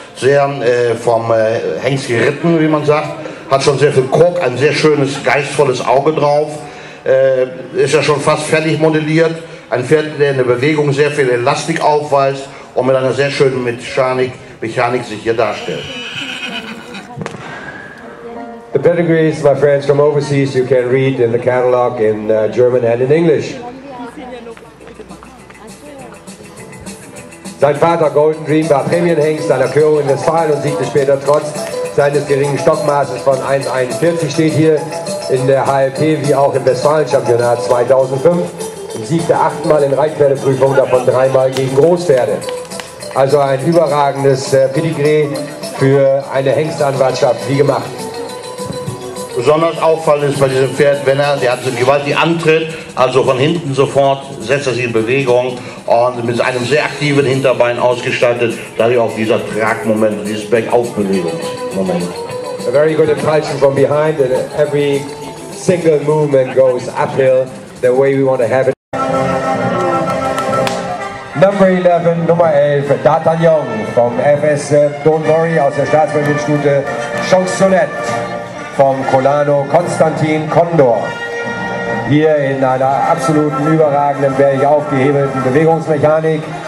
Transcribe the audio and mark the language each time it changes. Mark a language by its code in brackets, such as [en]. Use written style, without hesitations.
[de] Sehr vom Hengst geritten, wie man sagt. Hat schon sehr viel Kork, ein sehr schönes, geistvolles Auge drauf. Ist ja schon fast fertig modelliert. Ein Pferd, der in der Bewegung sehr viel Elastik aufweist und mit einer sehr schönen Mechanik sich hier darstellt. [en] The pedigrees, my friends from overseas, you can read in the catalog in German and in English. [de] Sein Vater Golden Dream war Prämienhengst, seiner Körung in Westfalen und siegte später trotz seines geringen Stockmaßes von 1,41, steht hier in der HLP wie auch im Westfalen-Championat 2005. Und siegte achtmal in Reitpferdeprüfung, davon dreimal gegen Großpferde. Also ein überragendes Pedigree für eine Hengstanwartschaft, wie gemacht. Besonders auffallend ist bei diesem Pferd, wenn er, der hat so gewaltig Antritt, also von hinten sofort setzt er sich in Bewegung und mit einem sehr aktiven Hinterbein ausgestattet, dadurch auch dieser Tragmoment, dieses Bergaufbewegungsmoment. [en] A very good impulsion from behind, and every single movement goes uphill the way we want to have it. Number 11, [de] Nummer 11, D'Artagnan vom FS Don't Worry aus der Staatsmannschaftsstute Chansonnette. Vom Colano Konstantin Condor. Hier in einer absoluten, überragenden, berg aufgehebelten Bewegungsmechanik.